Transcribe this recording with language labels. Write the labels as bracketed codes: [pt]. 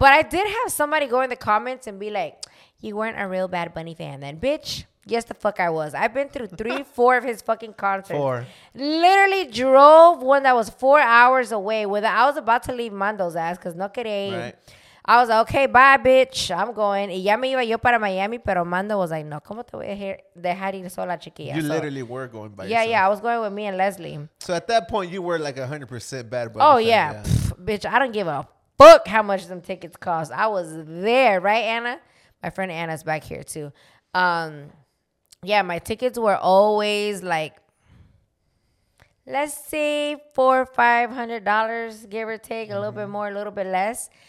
[en] But I did have somebody go in the comments and be like, you weren't a real Bad Bunny fan then. Bitch, yes the fuck I was. I've been through three, four of his fucking concerts. Four. Literally drove one that was 4 hours away. I was about to leave Mando's ass because [es] no quería ir. [en] Right. I was like, okay, bye, bitch. I'm going. [es] Y ya me iba yo para Miami, pero Mando [en] was like, [es] no, ¿cómo te voy a dejar ir sola, chiquilla? [en] You literally were going by yeah, yourself. Yeah, I was going with me and Leslie. So at that point, you were like 100% Bad Bunny. Oh, yeah. Yeah. Bitch, I don't give a fuck how much them tickets cost. I was there, right, Anna? My friend Anna's back here, too. Yeah, my tickets were always like, let's say $400, $500, give or take, a little bit more, a little bit less.